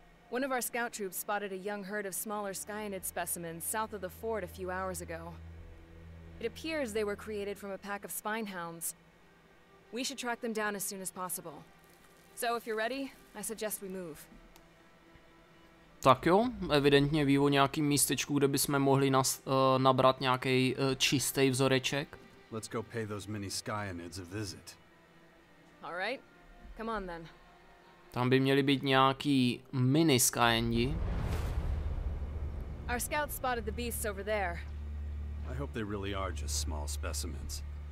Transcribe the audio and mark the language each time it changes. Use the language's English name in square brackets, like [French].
[English] One of our scout troops spotted a young herd of smaller Skyanid specimens south of the fort a few hours ago. It appears they were created from a pack of spine hounds. We should track them down as soon as possible. So if you're ready, I suggest we move. [Czech] Tak jo, evidentně ví o nějakým místečku, kde bychom mohli nabrat nějaký čistý vzoreček. [English] Let's go pay those mini Skyanids a visit. All right. Come on then. [Czech] Tam by měli být nějaký mini Skyanidi. [English] Our scouts spotted the beasts over there. I hope they really are just small specimens.